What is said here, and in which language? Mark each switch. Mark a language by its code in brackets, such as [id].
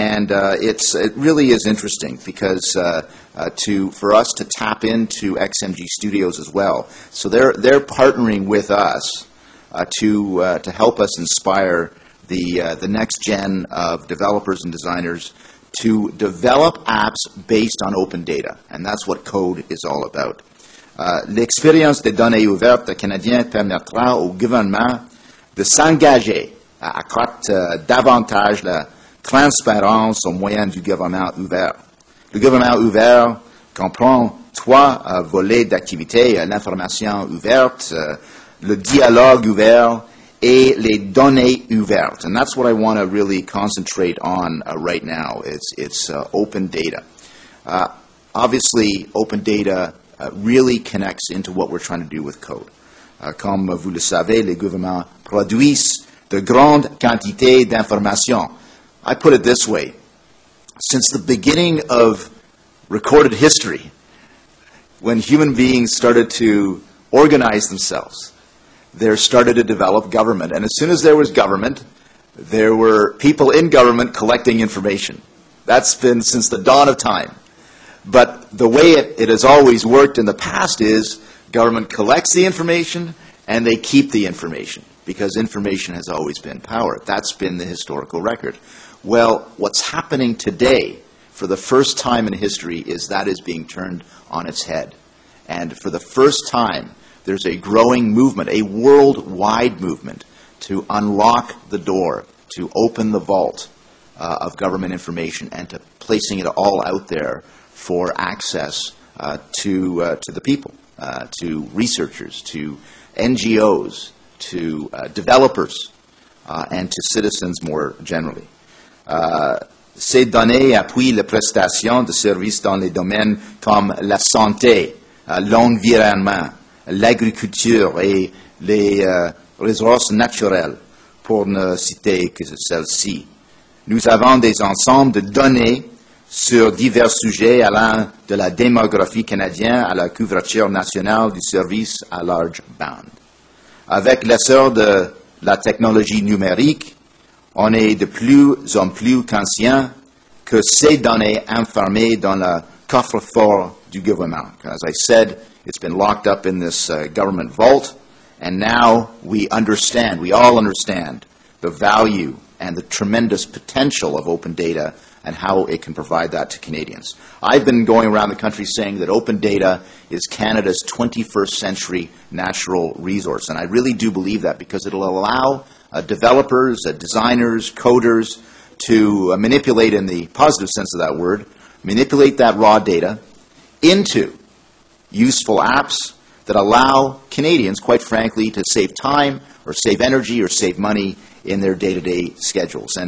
[en] It really is interesting because for us to tap into XMG Studios as well. So they're partnering with us to help us inspire the next gen of developers and designers to develop apps based on open data, and that's what CODE is all about. [fr] L'expérience des données ouvertes canadiennes permettra au gouvernement de s'engager à accroître davantage la transparence au moyen du gouvernement ouvert. Le gouvernement ouvert comprend trois volets d'activité, l'information ouverte, le dialogue ouvert, et les données ouvertes. [en] And that's what I want to really concentrate on right now. It's open data. Obviously, open data really connects into what we're trying to do with CODE. [fr] Comme vous le savez, les gouvernements produisent de grandes quantités d'informations. [en] I put it this way. Since the beginning of recorded history, when human beings started to organize themselves, there started to develop government. And as soon as there was government, there were people in government collecting information. That's been since the dawn of time. But the way it has always worked in the past is government collects the information and they keep the information because information has always been power. That's been the historical record. Well, what's happening today for the first time in history is that is being turned on its head. And for the first time, there's a growing movement, a worldwide movement, to unlock the door, to open the vault of government information and to placing it all out there for access to the people, to researchers, to NGOs, to developers, and to citizens more generally. [fr] ces données appuient les prestations de services dans les domaines comme la santé, l'environnement, l'agriculture et les ressources naturelles, pour ne citer que celles-ci. Nous avons des ensembles de données sur divers sujets allant de la démographie canadienne à la couverture nationale du service à large band. Avec l'essor de la technologie numérique, on est de plus en plus conscient que ces données enfermées dans le coffre-fort du gouvernement. [en] As I said, it's been locked up in this government vault, and now we understand, we all understand, the value and the tremendous potential of open data and how it can provide that to Canadians. I've been going around the country saying that open data is Canada's 21st century natural resource, and I really do believe that because it'll allow developers, designers, coders to manipulate, in the positive sense of that word, manipulate that raw data into useful apps that allow Canadians, quite frankly, to save time or save energy or save money in their day-to-day schedules.